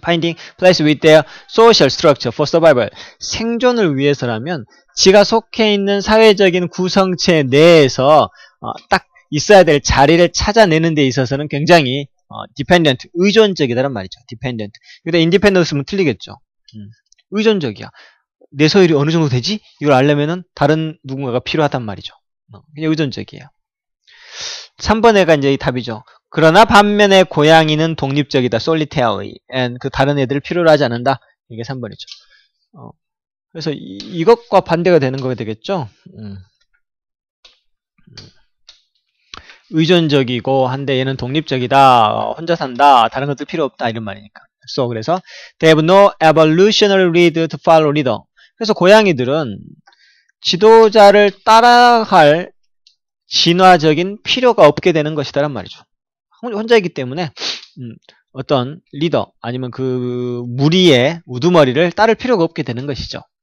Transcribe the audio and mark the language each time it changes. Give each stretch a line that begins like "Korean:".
English: Finding place with their social structure for survival.
Korean: 생존을 위해서라면, 지가 속해 있는 사회적인 구성체 내에서, 딱 있어야 될 자리를 찾아내는 데 있어서는 굉장히 dependent, 의존적이다란 말이죠. dependent. 근데 independence면 틀리겠죠. 의존적이야. 내 서열이 어느 정도 되지? 이걸 알려면은 다른 누군가가 필요하단 말이죠. 그냥 의존적이에요. 3번에가 이제 이 답이죠. 그러나 반면에 고양이는 독립적이다.
English: solitary.
Korean: and 그 다른 애들 필요로 하지 않는다. 이게 3번이죠. 그래서 이것과 반대가 되는 거 되겠죠. 의존적이고 한데 얘는 독립적이다. 혼자 산다. 다른 것도 필요 없다. 이런 말이니까.
English: So,
Korean: 그래서
English: they have no evolutionary lead to follow leader.
Korean: 그래서 고양이들은 지도자를 따라갈 진화적인 필요가 없게 되는 것이다란 말이죠. 혼자이기 때문에 어떤 리더 아니면 그 무리의 우두머리를 따를 필요가 없게 되는 것이죠.